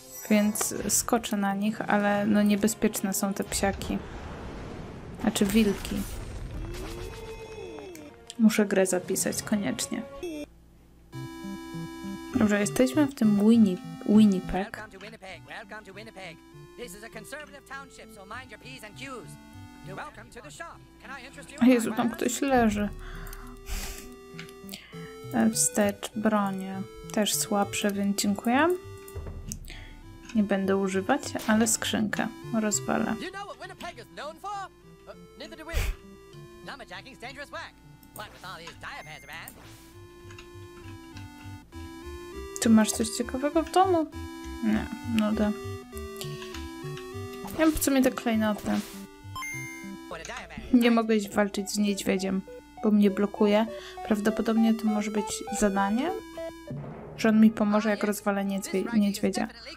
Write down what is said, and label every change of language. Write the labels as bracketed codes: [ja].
[pl] Więc skoczę na nich, ale no niebezpieczne są te psiaki. Znaczy wilki. Muszę grę zapisać koniecznie. Dobrze, jesteśmy w tym Winnipeg. [en] Welcome to Winnipeg. This is a conservative township, so mind your P's and Q's. You're welcome to the shop. Can I interest you? [pl] Jezu, tam ktoś leży. Wstecz, bronie. Też słabsze, więc dziękuję. Nie będę używać, ale skrzynkę rozwalę. [en] You know what Winnipeg is known for? Neither do we. Lumberjacking's dangerous work. What with all these diapers around? [pl] Tu masz coś ciekawego w domu? Nie, nuda. Ja mam w sumie te klejnoty. Nie mogę iść walczyć z niedźwiedziem, bo mnie blokuje. Prawdopodobnie to może być zadanie, że on mi pomoże, jak rozwalę niedźwiedzia.